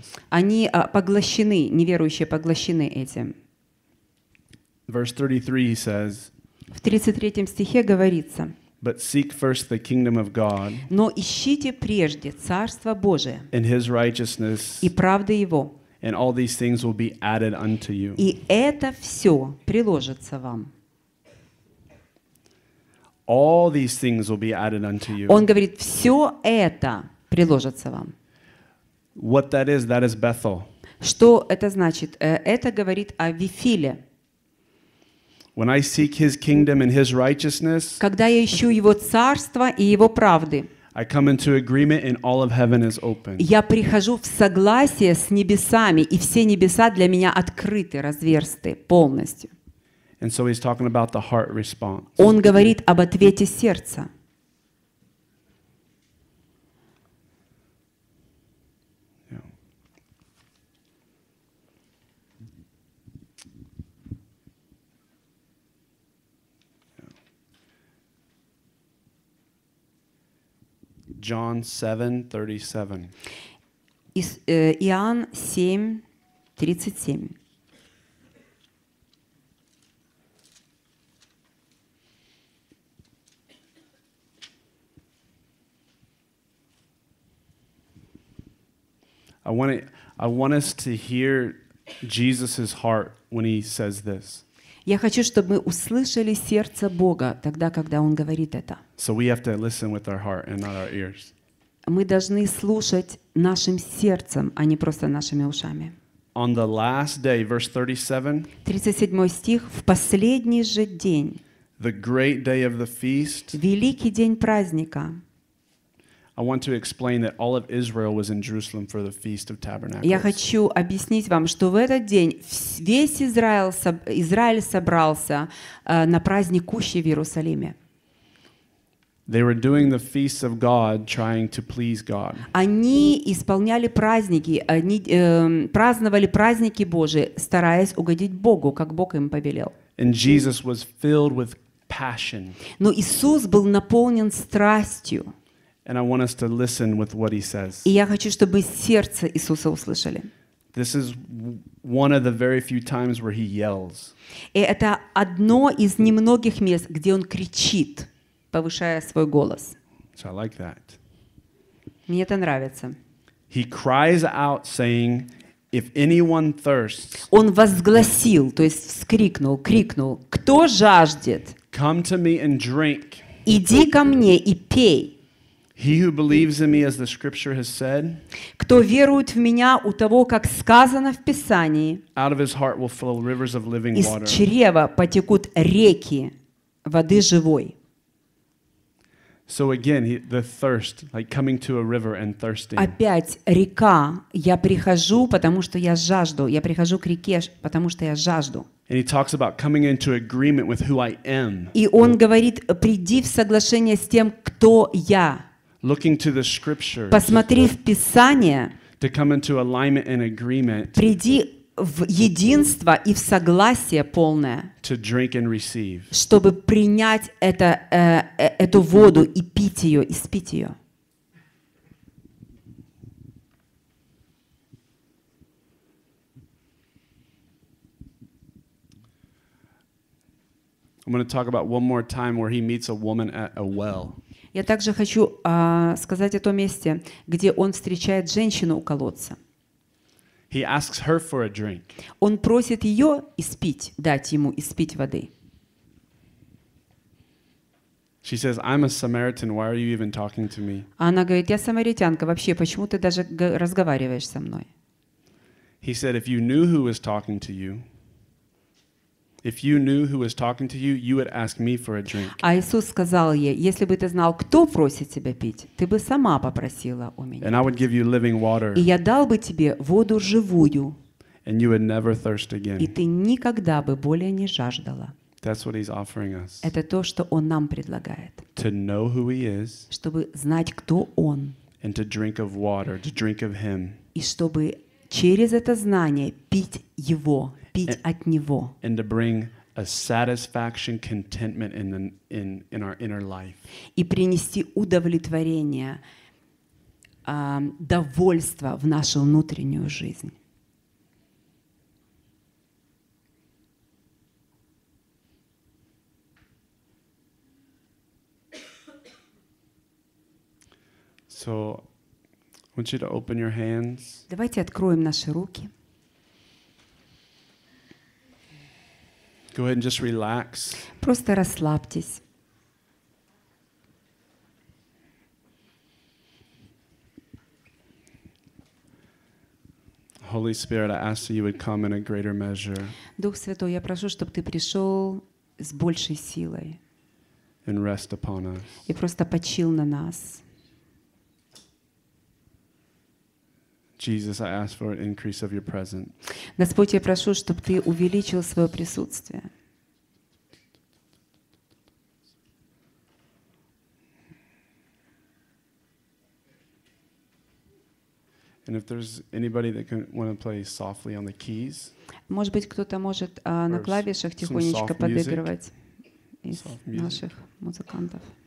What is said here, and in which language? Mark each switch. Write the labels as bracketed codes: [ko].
[ru] Они поглощены, неверующие поглощены этим. В 33 стихе говорится: [en] But seek first the kingdom of God. [ru] Но ищите прежде Царство Божие. [en] And His righteousness. [ru] И правды Его. [en] And all these things will be added unto you. [ru] И это все приложится вам. [en] All these things will be added unto you. [ru] Он говорит, все это приложится вам. [en] What that is Bethel. [ru] Что это значит? Это говорит о Вифиле. [en] When I seek His kingdom and His righteousness. [ru] Когда я ищу Его царство и Его правды. [en] I come into agreement and all of heaven is open. [ru] Я прихожу в согласие с небесами, и все небеса для меня открыты, разверсты полностью. [en] And so he's talking about the heart response. [ru] Он говорит об ответе сердца. [en] John 7:37. [ru] Иоанн 7:37. [en] I want us to hear Jesus's heart when he says this. [ru] Я хочу, чтобы мы услышали сердце Бога тогда, когда Он говорит это. [en] So we have to listen with our heart and not our ears. [ru] Мы должны слушать нашим сердцем, а не просто нашими ушами. [en] On the last day, verse 37. [ru] 37 стих. В последний же день. [en] The great day of the feast. [ru] Великий день праздника. [en] I want to explain that all of Israel was in Jerusalem for the Feast of Tabernacles. [ru] Я хочу объяснить вам, что в этот день весь Израиль собрался на праздник кущей в Иерусалиме. [en] They were doing the feasts of God, trying to please God. [ru] Они исполняли праздники, они праздновали праздники Божии, стараясь угодить Богу, как Бог им повелел. [en] And Jesus was filled with passion. [ru] Но Иисус был наполнен страстью. [en] And I want us to listen with what he says. [ru] И я хочу, чтобы сердце Иисуса услышали. [en] This is one of the very few times where he yells. [ru] И это одно из немногих мест, где он кричит, повышая свой голос. [en] So I like that. [ru] Мне это нравится. [en] He cries out saying, if anyone thirsts. [ru] Он возгласил, то есть вскрикнул, крикнул: кто жаждет? [en] Come to me and drink. [ru] Иди ко мне и пей. [en] He who believes in me, as the scripture has said. [ru] Кто верует в меня, у того, как сказано в Писании. [en] Out of his heart will flow rivers of living water. [ru] Из чрева потекут реки воды живой. [en] So again, the thirst, like coming to a river and thirsting. [ru] Опять река. Я прихожу, потому что я жажду. Я прихожу к реке, потому что я жажду. [en] And he talks about coming into agreement with who I am. [ru] И он говорит: приди в соглашение с тем, кто я. [en] Looking to the scripture. [ru] Посмотри в Писание. [en] To come into alignment and agreement. [ru] Приди в единство и в согласие полное, [en] to drink and receive. [ru] Чтобы принять это, эту воду и пить ее, испить ее. [en] I'm going to talk about one more time where he meets a woman at a well. [ru] Я также хочу сказать о том месте, где он встречает женщину у колодца. [en] He asks her for a drink. [ru] Он просит ее испить, дать ему испить воды. [en] She says, "I'm a Samaritan. Why are you even talking to me?" [ru] Она говорит: я самаритянка. Вообще, почему ты даже разговариваешь со мной? [en] He said, "If you knew who was talking to you, if you knew who was talking to you, you would ask me for a drink." [ru] А Иисус сказал ей: если бы ты знал, кто просит тебя пить, ты бы сама попросила у меня. [en] And I would give you living water. [ru] И я дал бы тебе воду живую. [en] And you would never thirst again. [ru] И ты никогда бы более не жаждала. [en] That's what he's offering us. [ru] Это то, что он нам предлагает. [en] To know who he is. [ru] Чтобы знать, кто он. [en] And to drink of water, to drink of him. [ru] И чтобы через это знание пить его. [en] And to bring a satisfaction, contentment in our inner life. [ru] И принести удовлетворение, довольство в нашу внутреннюю жизнь. [en] So, I want you to open your hands. [ru] Давайте откроем наши руки. [en] Go ahead and just relax. [ru] Просто расслабьтесь. [en] Holy Spirit, I ask that you would come in a greater measure. [ru] Дух Святой, я прошу, чтобы ты пришел с большей силой. [en] And rest upon us. [ru] И просто почил на нас. [en] Jesus, I ask for an increase of your presence. [ru] Господь, я прошу, чтобы ты увеличил свое присутствие. [en] And if there's anybody that can want to play softly on the keys. [ru] Может быть, кто-то может на клавишах тихонечко подыгрывать из наших музыкантов.